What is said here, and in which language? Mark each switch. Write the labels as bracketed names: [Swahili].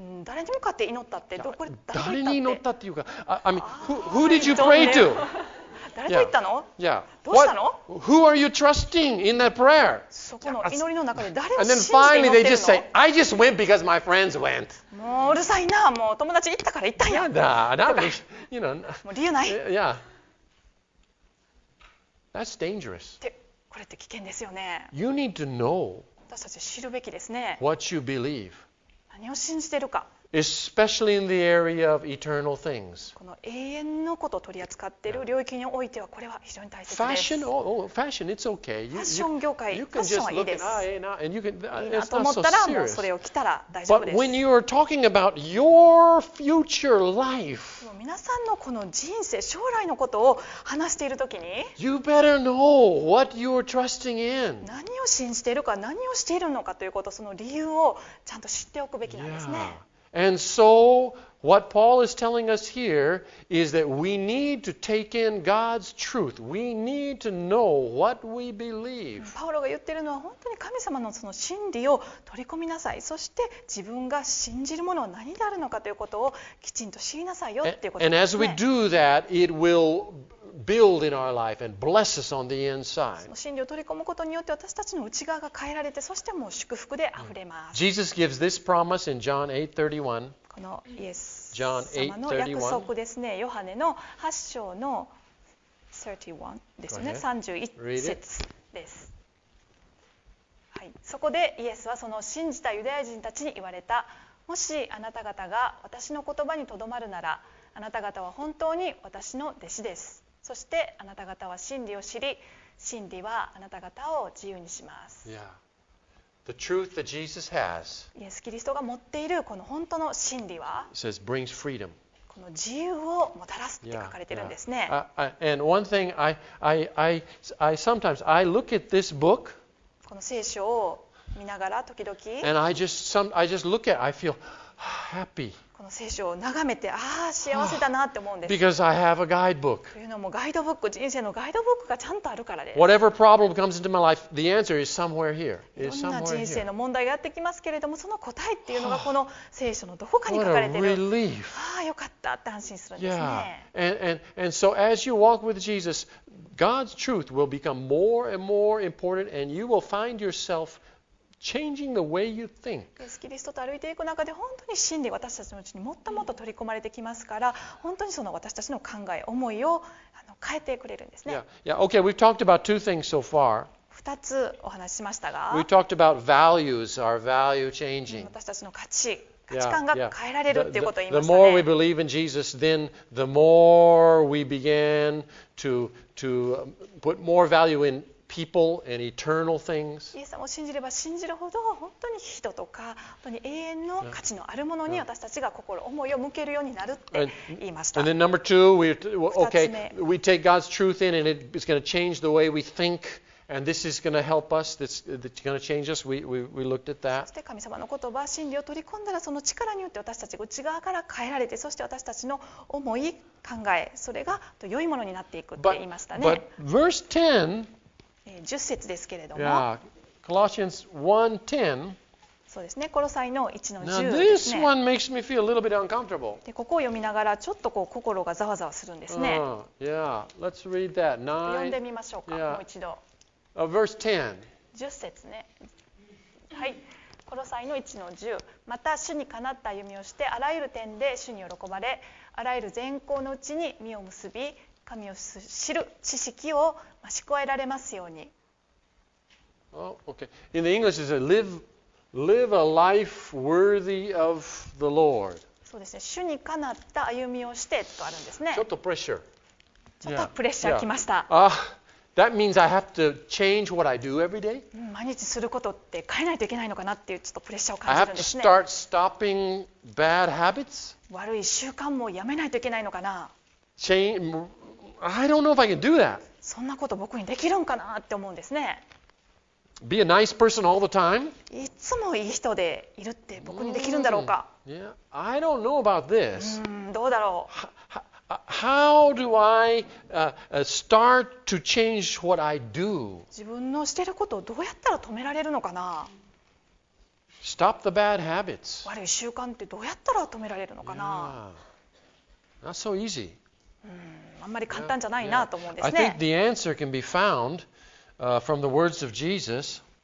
[Japanese] 誰に向かって祈ったって、どこで誰に祈ったって。誰に祈ったっていうか、 [English] I mean, who did you pray to? [Japanese] 誰と言ったの? [English] Yeah. [Japanese] どうしたの? [English] Who are you trusting in that prayer? [Japanese] そこの祈りの中で誰を信じて祈ってるの? [English] And then finally they just say, I just went because my friends went. [Japanese] もううるさいな、もう友達行ったから行ったんや。もう理由ない。 [English] Yeah. That's dangerous. [Japanese] これって危険ですよね。 [English] You need to know. [Japanese] 私たち知るべきですね。 [English] What you believe. [Japanese] 何を信じてるか。 [English] Especially in the area of eternal things. [Japanese] この永遠のことを取り扱っている領域においてはこれは非常に大切です。 [English] Fashion, fashion, it's okay. [Japanese] ファッション業界、ファッションはいいです。いいなと思ったらもうそれを着たら大丈夫です。 [English] But when you are talking about your future life, [Japanese] 皆さんのこの人生、将来のことを話しているときに、 [English] you better know what you are trusting in. [Japanese] 何を信じているか、何をしているのかということ、その理由をちゃんと知っておくべきなんですね。 [English] Yeah. And so, what Paul is telling us here is that we need to take in God's truth. We need to know what we believe. [Japanese] パウロが言ってるのは本当に神様のその真理を取り込みなさい。そして自分が信じるものは何であるのかということをきちんと知りなさいよっていうことですね。 [English] And as we do that, it will build in our life and bless us on the inside. [Japanese] その真理を取り込むことによって私たちの内側が変えられて、そしてもう祝福で溢れます。 [English] Jesus gives this promise in John 8:31. [Japanese] このイエス様の約束ですね。ヨハネの8章の31ですね。 31節です。はい。そこでイエスはその信じたユダヤ人たちに言われた。もしあなた方が私の言葉にとどまるなら、あなた方は本当に私の弟子です。そしてあなた方は真理を知り、真理はあなた方を自由にします。 [English] The truth that Jesus has, [Japanese] イエス・キリストが持っているこの本当の真理は、 [English] says, brings freedom. [Japanese] この自由をもたらすって書かれてるんですね。 [English] And one thing, I sometimes look at this book, [Japanese] この聖書を見ながら時々、 [English] and I just look at, I feel happy. [Japanese] この聖書を眺めて、ああ幸せだなって思うんです。 [English] Because I have a guidebook. [Japanese] というのもガイドブック、人生のガイドブックがちゃんとあるからです。 [English] Whatever problem comes into my life, the answer is somewhere here. [Japanese] いろんな人生の問題がやってきますけれども、その答えっていうのがこの聖書のどこかに書かれている。 [English] What a relief. [Japanese] ああよかったって安心するんですね。 [English] Yeah. And so as you walk with Jesus, God's truth will become more and more important, and you will find yourself. Changing the way you think. [Japanese] イエス・キリストと歩いていく中で本当に真理、私たちのうちにもっともっと取り込まれてきますから、本当にその私たちの考え、思いを変えてくれるんですね。 [English] Okay, we've talked about two things so far. [Japanese] 二つお話ししましたが、 [English] We talked about values, our value changing. [Japanese] 私たちの価値観が変えられるっていうことを言いましたね。 [English] The more we believe in Jesus, then the more we begin to put more value in people and eternal things. [Japanese] イエス様を信じれば信じるほど、本当に人とか、本当に永遠の価値のあるものに私たちが心、思いを向けるようになるって言いました。 [English] And then number two, we take God's truth in and it's going to change the way we think. And this is going to help us. It's going to change us. We looked at that. [Japanese] そして神様の言葉、真理を取り込んだら、その力によって私たち内側から変えられて、そして私たちの思い、考え、それが良いものになっていくって言いましたね。 [English] But verse 10, [Japanese] 10節ですけれども、 [English] yeah, Colossians 1:10. [Japanese] そうですね、コロサイの 1-10 ですね。 [English] Now this one makes me feel a little bit uncomfortable. [Japanese] で、ここを読みながらちょっとこう心がざわざわするんですね。 [English] Yeah, let's read that. [Japanese] 読んでみましょうか、もう一度。 [English] Verse 10. 10 [Japanese] 節ね。はい。コロサイの 1-10。また主にかなった歩みをして、あらゆる点で主に喜ばれ、あらゆる善行のうちに身を結び、神を知る知識を増し加えられますように。 [English] Oh, okay. In the English, it says, live a life worthy of the Lord. [Japanese] そうですね。主にかなった歩みをしてとあるんですね。ちょっとプレッシャー。ちょっとプレッシャーきました。 [English] Yeah. That means I have to change what I do every day. [Japanese] 毎日することって変えないといけないのかなっていうちょっとプレッシャーを感じるんですね。 [English] I have to start stopping bad habits. [Japanese] 悪い習慣もやめないといけないのかな。 [English] I don't know if I can do that. [Japanese] そんなこと僕にできるんかなって思うんですね。 [English] Be a nice person all the time. [Japanese] いつもいい人でいるって僕にできるんだろうか。 [English] Yeah, I don't know about this. [Japanese] どうだろう。 [English] How do I start to change what I do? [Japanese] 自分のしてることをどうやったら止められるのかな。 [English] Stop the bad habits. [Japanese] 悪い習慣ってどうやったら止められるのかな。 [English] Yeah. Not so easy. [Japanese] あんまり簡単じゃないなと思うんですね。 [English] I think the answer can be found from the words of Jesus.